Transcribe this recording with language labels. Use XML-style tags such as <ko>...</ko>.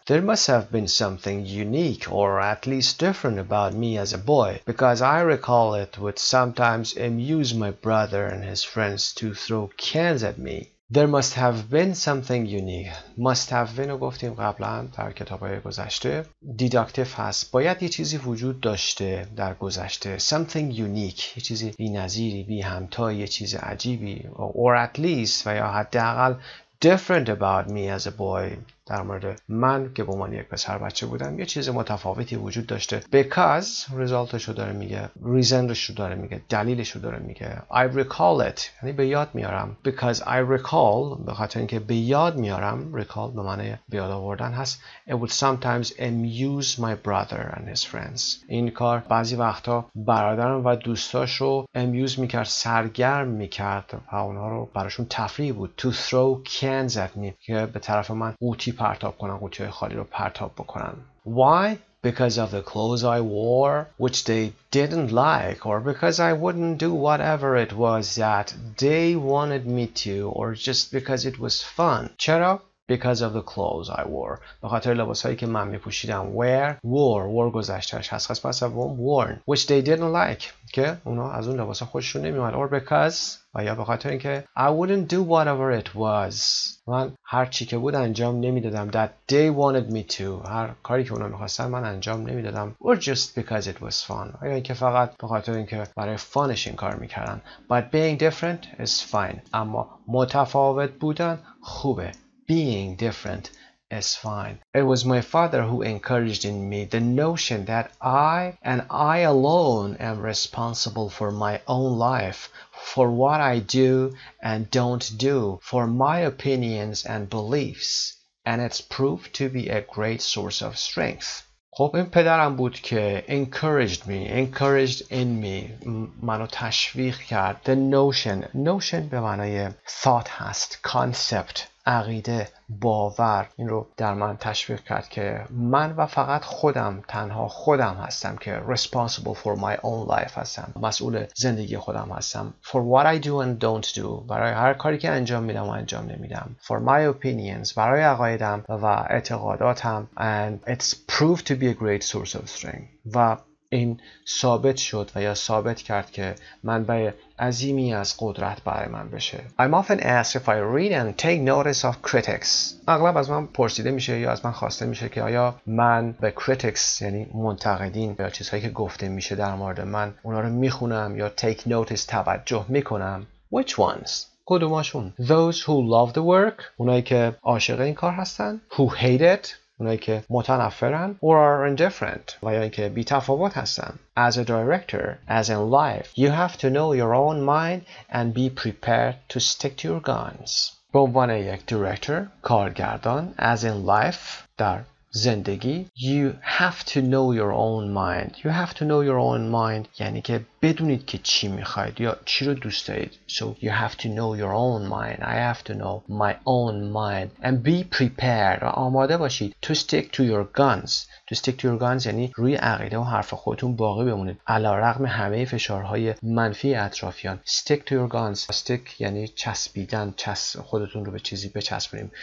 <en>There must have been something unique or at least different about me as a boy, because I recall it would sometimes amuse my brother and his friends to throw cans at me. There must have been something unique. Must have been</en> <fa>رو گفتیم قبلا در کتابای گذشته. Deductive هست. باید یه چیزی وجود داشته در گذشته.</fa> <en>Something unique.</en> <fa>یه چیزی بی نظیری بی همتا یه چیز عجیبی.</fa> <en>Or at least</en> <fa>و یا حداقل</fa> <en>different about me as a boy.</en> <fa>در مورد من که به عنوان یک پسر بچه بودم یه چیز متفاوتی وجود داشته. Because resultش رو داره میگه. Reasonش رو داره میگه. دلیلش رو داره میگه.</fa> <en>I recall it.</en> <fa>یعنی به یاد میارم.</fa> <en>Because I recall</en> <fa>به خاطر اینکه به یاد میارم. Recall به معنی به یاد آوردن هست.</fa> <en>It would sometimes amuse my brother and his friends.</en> <fa>این کار بعضی وقتا برادرم و دوستاش رو amuse میکرد. سرگرم میکرد. و اونها رو براشون تفریح بود.</fa> <en>To throw cans at me.</en> <fa>که به طرف من پرتاب کنن قوطی های خالی رو پرتاب بکنن.</fa> <en>Why? Because of the clothes I wore which they didn't like or because I wouldn't do whatever it was that they wanted me to or just because it was fun.</en> <fa>چرا؟</fa> <en>Because of the clothes I wore.</en> <fa>به خاطر لباس هایی که من می پوشیدم.</fa> <en>Where? Wore</en> <fa>گذشتهش هست. خس پس اون</fa> <en>worn which they didn't like</en> <fa>که اونا از اون لباس ها خوششون نمی اومد.</fa> <en>Or because</en> <fa>و یا به خاطر اینکه</fa> <en>I wouldn't do whatever it was</en> <fa>من هر چی که بود انجام نمیدادم.</fa> <en>That they wanted me to</en> <fa>هر کاری که اونا میخواستن من انجام نمیدادم.</fa> <en>Or just because it was fun</en> <fa>یا اینکه فقط به خاطر اینکه برای فانش این کار میکردن.</fa> <en>But being different is fine</en> <fa>اما متفاوت بودن خوبه.</fa> <en>being different is fine. It was my father who encouraged in me the notion that I and I alone am responsible for my own life, for what I do and don't do, for my opinions and beliefs, and it's proved to be a great source of strength.</en> <fa>خب این پدرم بود که</fa> <en>encouraged me, encouraged in me,</en> <fa>منو تشویق کرد. The notion, notion به معنای thought هست, concept, عقیده, باور. این رو در من تشویق کرد که من و فقط خودم, تنها خودم هستم که</fa> <en>responsible for my own life</en> <fa>هستم, مسئول زندگی خودم هستم.</fa> <en>For what I do and don't do,</en> <fa>برای هر کاری که انجام میدم و انجام نمیدم. For my opinions, برای عقایدم و اعتقاداتم.</fa> <en>And it's proved to be a great source of strength.</en> <fa>و این ثابت شد و یا ثابت کرد که منبع عظیمی از قدرت برای من بشه.</fa> <en>I'm often asked if I read and take notice of critics.</en> <fa>اغلب از من پرسیده میشه یا از من خواسته میشه که آیا من به critics, یعنی منتقدین یا چیزهایی که گفته میشه در مورد من, اونا رو میخونم یا</fa> <en>take notice,</en> <fa>توجه میکنم.</fa> <en>Which ones?</en> <fa>کدوماشون.</fa> <en>Those who love the work,</en> <fa>اونایی که عاشق این کار هستن.</fa> <en>Who hate it,</en> <fa>اونایی که متنفرن.</fa> <en>Or are indifferent,</en> <fa>و یا این که بی‌تفاوت هستن.</fa> <en>As a director, as in life, you have to know your own mind and be prepared to stick to your guns.</en> <fa>به عنوان یک</fa> <en>director,</en> <fa>کارگردان,</fa> <en>as in life,</en> <fa>در زندگی,</fa> <en>you have to know your own mind. You have to know your own mind,</en> <fa>یعنی که بدونید که چی میخواید یا چی رو دوست دارید.</fa> <en>So you have to know your own mind. I have to know my own mind. And be prepared,</en> <fa>آماده باشید.</fa> <en>To stick to your guns. To stick to your guns</en> <fa>یعنی روی عقیده و حرف خودتون باقی بمونید علارغم همه فشارهای منفی اطرافیان.</fa> <en>Stick to your guns.</en> <fa>Stick یعنی چسبیدن, خودتون رو به چیزی بچسبونیم.</fa>